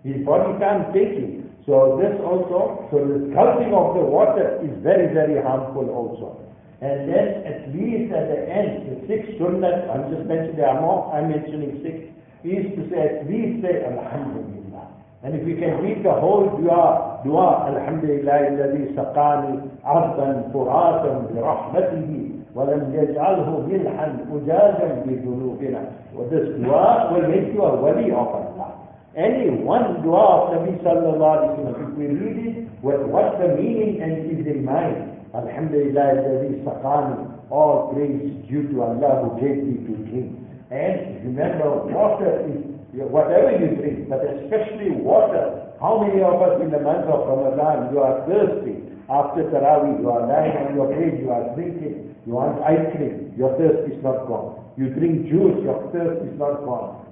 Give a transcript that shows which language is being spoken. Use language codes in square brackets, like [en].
[en] His body can't take it. So this also, so the gulping of the water is very, very harmful also. And then at least at the end, the 6 sunnah, I'm just mentioning, there are more, I'm mentioning 6, is to say at least say Alhamdulillah. And if we can read the whole dua, Alhamdulillah, [ar] الَّذِي سَقَانِ عَرْضًا فُرَاتًا بِرَحْمَتِهِ وَلَمْ يَجْعَلْهُ مِلْحًا أُجَاجًا بِذُنُوبِنَا. [en] Well, this dua will make you a wali of Allah. Any one dua of Nabi sallallahu alayhi wa sallam, if we read it, what's the meaning and is in mind? [ar] Alhamdulillah, الَّذِي سَقَانِ. [en] All praise due to Allah who gave me to drink. And remember, water is whatever you drink, but especially water. How many of us in the month of Ramadan, you are thirsty? After Taraweeh, you are lying on your bed, you are drinking. You want ice cream, your thirst is not gone. You drink juice, your thirst is not gone.